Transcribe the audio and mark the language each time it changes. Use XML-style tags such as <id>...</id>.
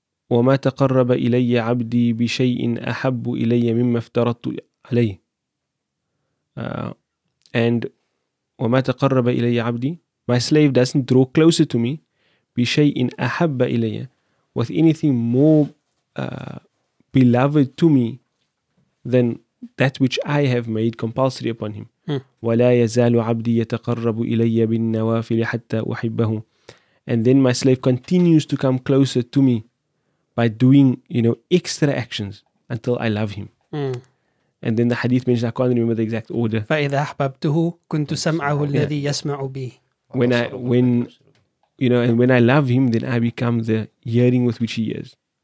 <ar>وما تقرب إلي عبدي بشيء أحب إلي مما افترضت عليه.</ar> <en>And</en> <ar>وما تقرب إلي عبدي,</ar> <en>my slave doesn't draw closer to me</en> <ar>بشيء أحب إلي,</ar> <en>with anything more beloved to me than that which I have made compulsory upon him.</en> <ar>ولا يزال عبدي يتقرب إلي بالنوافل حتى أحبه.</ar> <en>And then my slave continues to come closer to me by doing, you know, extra actions until I love him. And then the hadith mentions, I can't remember the exact order.</en> <ar>فَإِذَا أَحْبَبْتُهُ كُنْتُ سَمْعَهُ الَّذِي يَسْمَعُ بِهِ.</ar> <en>When you know, and when I love him, then I become the hearing with which he hears.</en>